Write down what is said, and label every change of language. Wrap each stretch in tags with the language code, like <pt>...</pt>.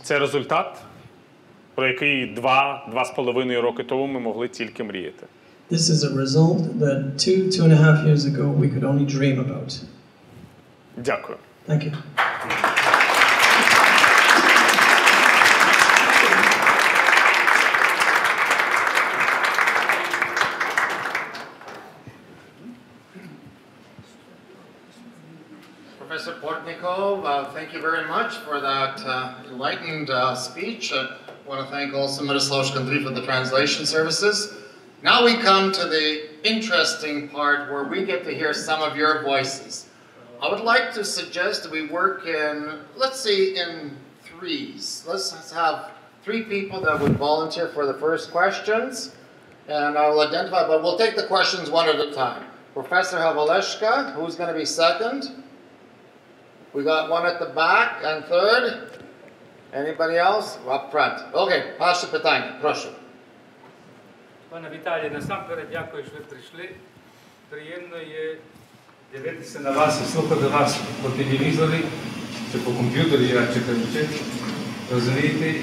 <uk>Це результат, про який 2-2.5 роки тому ми могли тільки мріяти.</uk> <en>This is a result that 2-2.5 years ago we could only dream about.</en> <uk>Дякую.</uk> <en>Thank you. Thank you very much for that enlightened speech. I want to thank also Miroslav Shkandri for the translation services. Now we come to the interesting part where we get to hear some of your voices. I would like to suggest that we work in, let's see, in threes. Let's have three people that would volunteer for the first questions, and I will identify, but we'll take the questions one at a time. Professor Havaleshka, who's going to be second? We got one at the back, and third, Anybody else? Up front.</en> <uk>Okay, ваше питання, прошу. Пане Віталій, насамперед дякую, що ви прийшли. Приємно є дивитися на вас і слухати вас по телевізорі, чи по комп'ютері, чи комп'ютері, розумієте?</uk>